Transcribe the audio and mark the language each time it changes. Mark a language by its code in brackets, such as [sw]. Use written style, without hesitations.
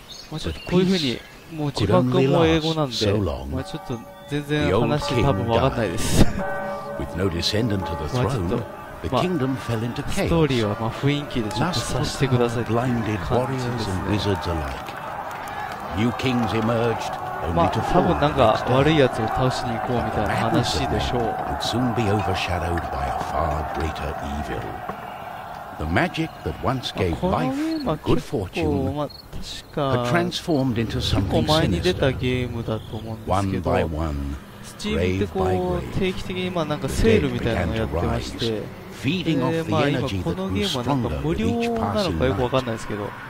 [ja] まあちょっとこういう風に、もう字幕も英語なんで、まあちょっと全然話多分分かんないです。 [en] With no descendant to the throne, the kingdom fell into chaos. [ja] ストーリーはまあ雰囲気でちょっとさせてくださいって感じですね。 [en] Blinded warriors and wizards alike. New kings emerged, only to fall. [ja] まあ多分なんか悪いやつを倒しに行こうみたいな話でしょう。 [en] Would soon be overshadowed by aFar greater evil. The magic that once gave life and good fortune had transformed into something sinister. One by one, grave by grave, the dead began to rise, feeding off the energy that grew stronger with each passing night.